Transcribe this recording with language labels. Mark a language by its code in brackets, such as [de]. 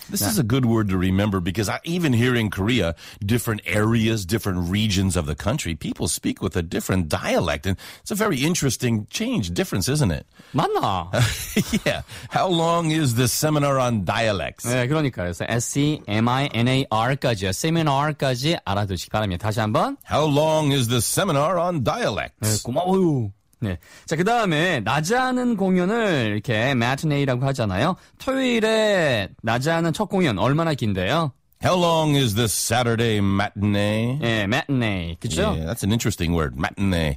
[en] This 자, is a good word to remember because even here in Korea, different areas, different regions of the country, people speak with a different dialect, and it's a very interesting change, difference, isn't it? [ko] 맞나? [en] Yeah. How long is the seminar on dialects? [ko] 네, 그러니까 S-E-M-I-N-A-R까지, seminar까지 알아두시기 바랍니다. 다시 한번. [en] How long is the seminar on dialects? [ko] 네, 고마워요. 네. 자, 그 다음에 낮에 하는 공연을 이렇게 matinee라고 하잖아요. 토요일에 낮에 하는 첫 공연 얼마나 긴데요? [en] How long is the Saturday matinee? [ko] 예, matinee. 그죠? [en] Yeah, that's an interesting word, matinee.